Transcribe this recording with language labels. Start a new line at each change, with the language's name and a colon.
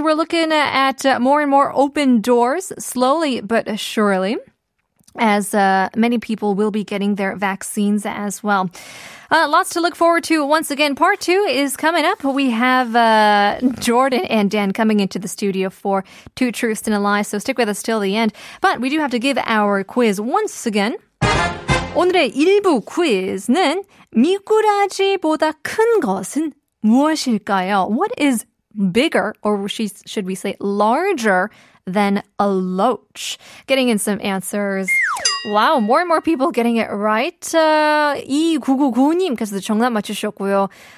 English: We're looking at more and more open doors, slowly but surely, as many people will be getting their vaccines as well. Lots to look forward to. Once again, part two is coming up. We have Jordan and Dan coming into the studio for Two Truths and a Lie, so stick with us till the end. But we do have to give our quiz once again.
Korean: 오늘의 일부 퀴즈는 미꾸라지보다 큰 것은 무엇일까요?
English: What is bigger, or should we say larger, than a loach? Getting in some answers. Wow, more and more people getting it right.
Korean: 2999님께서 정답 맞추셨고요.